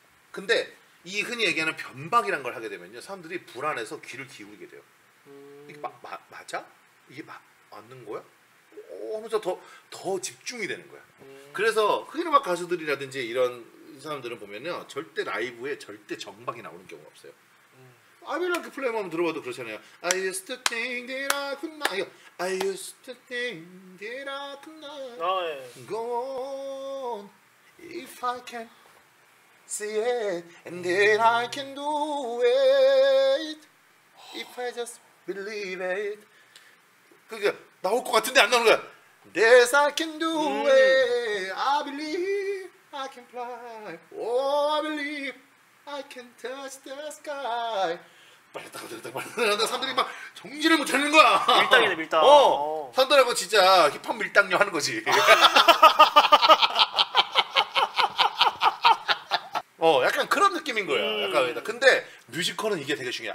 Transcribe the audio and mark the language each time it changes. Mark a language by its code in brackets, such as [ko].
[ko] 근데 이 흔히 얘기하는 변박이란 걸 하게 되면요 사람들이 불안해서 귀를 기울이게 돼요. 이게 맞아? 이게 맞는 거야? 하면서 더 집중이 되는 거야. 그래서 흔히 음악 가수들이라든지 이런 사람들은 보면요 절대 라이브에 절대 정박이 나오는 경우가 없어요. 아비랑 그 플레이만 들어봐도 그렇잖아요. [en] I used to think that I could not I used to think that I could not go on if I can see it and then I can do it if I just believe it. [ko] 그러니까 나올 것 같은데 안 나오는 거야. [en] Yes, I can do it. I believe I can fly. Oh, I believe I can touch the sky. [ko] 빨리 딱 사람들이 막 정신을 못 차리는 거야. 밀당이네 밀당. 산더라고 진짜 힙합 밀당녀 하는 거지. 약간 그런 느낌인 거야. 약간 근데 뮤지컬은 이게 되게 중요해.